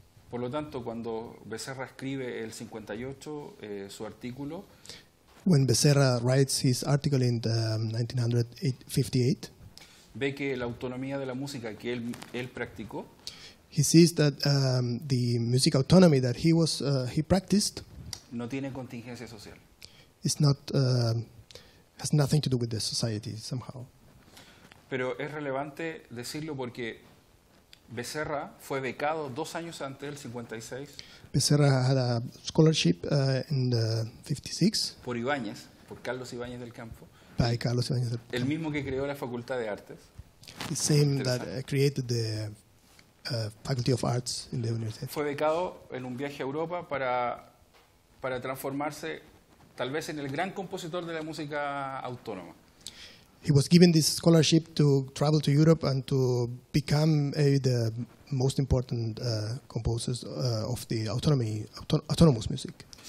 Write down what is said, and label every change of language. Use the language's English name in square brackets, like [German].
[Spanish] Por lo tanto, cuando Becerra escribe el 58, su artículo, [English] when Becerra writes his article in 1958. [Spanish] Ve que la autonomía de la música que él practicó. [English] He sees that the music autonomy that he was he practiced. [Spanish] No tiene contingencia social. [English] It's not has nothing to do with the society somehow. [Spanish] Pero es relevante decirlo porque Becerra fue becado 2 años antes del 56. [English] Becerra had a scholarship in the 56. [Spanish] Por Ibáñez, por Carlos Ibáñez del Campo. [English] By Carlos Ibáñez del Campo. [Spanish] El mismo que creó la Facultad de Artes. [English] The same that created the Faculty of Arts in the University. [Spanish] Fue becado en un viaje a Europa para transformarse tal vez en el gran compositor de la música autónoma. [English] He was given this scholarship to travel to Europe and to become the most important composers of the autonomous music.